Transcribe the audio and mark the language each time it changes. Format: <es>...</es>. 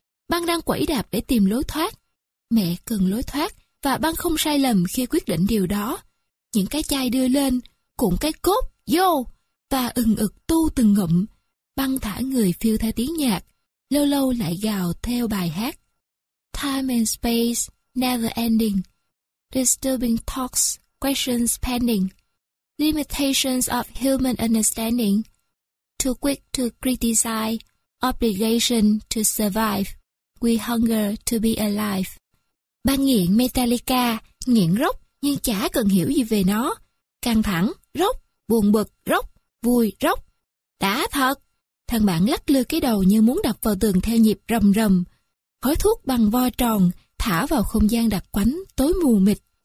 <vi>Băng đang quẫy đạp để tìm lối thoát. Mẹ cần lối thoát, và Băng không sai lầm khi quyết định điều đó. Những cái chai đưa lên, cuộn cái cốt, vô, và ừng ực tu từng ngụm. Băng thả người phiêu theo tiếng nhạc, lâu lâu lại gào theo bài hát.</vi> <en>Time and space, never ending. Disturbing talks, questions pending. Limitations of human understanding. Too quick to criticize, obligation to survive. We hunger to be alive.</en> <vi>Băng nghiện Metallica, nghiện rock nhưng chả cần hiểu gì về nó. Căng thẳng, rock, buồn bực, rock, vui, rock. Đã thật. Thằng bạn lắc lư cái đầu như muốn đập vào tường theo nhịp rầm rầm. Khói thuốc bằng vo tròn, thả vào không gian đặc quánh, tối mù mịt.</vi>